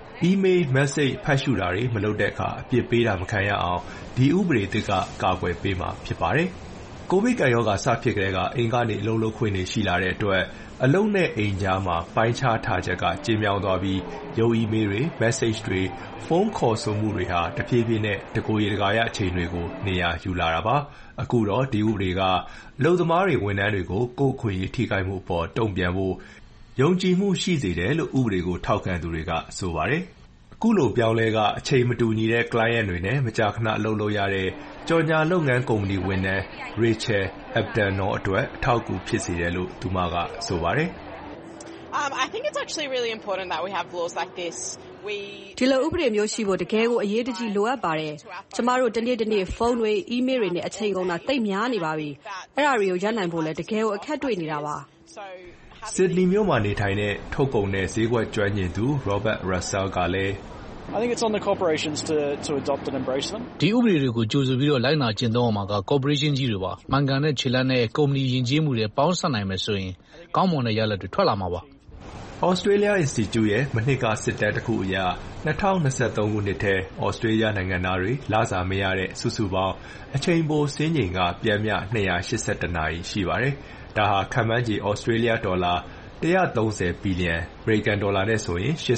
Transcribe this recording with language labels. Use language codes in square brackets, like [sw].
[my] email message ဖတ်ရှုတာတွေမလုပ်တဲ့အခါအပြစ်ပေးတာမခံရအောင်ဒီဥပဒေတစ်ကကာကွယ်ပေးမှာဖြစ်ပါတယ်။ COVID ကာယရောဂါစဖြစ်ကြတဲ့အင်္ဂါနေ့အလုံးလုံးခွင့်နေရှိလာတဲ့အတွက်အလုံးနဲ့အင်ကြားမှာပိုင်းခြားထားချက်ကကျေမြောင်သွားပြီးရုပ် email တွေ message တွေ phone call ဆိုမှုတွေဟာတဖြည်းဖြည်းနဲ့တကိုယ်ရေတကာရအချိန်တွေကိုနေရာယူလာတာပါ။အခုတော့ဒီဥပဒေကလုံသမားတွေဝန်ထမ်းတွေကိုကိုယ်ခွင့်ရထိခိုက်မှုအပေါ်တုံ့ပြန်ဖို့ ယုံကြည်မှုရှိစေတယ်လို့ဥပဒေကိုထောက်ခံသူတွေကဆိုပါတယ်။အခုလိုပြောင်းလဲကအချိန်မတူညီတဲ့ client တွေနဲ့မကြာခဏအလုပ်လုပ်ရတဲ့ကြော်ညာလုပ်ငန်းကုမ္ပဏီဝင်နဲ့ Rachel Abdano အတွက်အထောက်အကူဖြစ်စေတယ်လို့သူမကဆိုပါတယ်။ [en] I think it's actually really important that we have laws like this. [my] ဒီလိုဥပဒေမျိုးရှိဖို့တကယ်ကိုအရေးတကြီးလိုအပ်ပါတယ်။ကျမတို့တနေ့တနေ့ဖုန်းတွေ၊အီးမေးလ်တွေနဲ့အချိန်ကုန်တာတိတ်များနေပါပြီ။အဲ့ဒါတွေကိုရပ်နိုင်ဖို့လည်းတကယ်ကိုအခက်တွေ့နေတာပါ ။ဆစ်ဒနီမြို့မှာနေထိုင်တဲ့ထုတ်ကုန်တဲ့ဈေးကွက်ကျွမ်းကျင်သူ Robert Russell ကလည်း [en] I think it's on the corporations to adopt and embrace them. [my] ဒီဥပဒေတွေကိုကြိုဆိုပြီးတော့လိုက်နာကျင့်သုံးအောင်မှာက corporation ကြီးတွေပါ။မှန်ကန်တဲ့ခြေလှမ်းနဲ့ကုမ္ပဏီယဉ်ကျေးမှုတွေပေါင်းစပ်နိုင်မယ်ဆိုရင်ကောင်းမွန်တဲ့ရလဒ်တွေထွက်လာမှာပါ။ Australia Institute ရဲ့မနှစ်ကစစ်တမ်းတစ်ခုအရ2023ခုနှစ်ထဲ Australia နိုင်ငံသားတွေလစာမရတဲ့စုစုပေါင်းအချိန်ပိုစင်းငင်ကပြန်မြ282နာရီရှိပါတယ်။ဒါဟာခန့်မှန်းကြေ Australia ဒေါ်လာ130ဘီလီယံ၊ American ဒေါ်လာနဲ့ဆိုရင်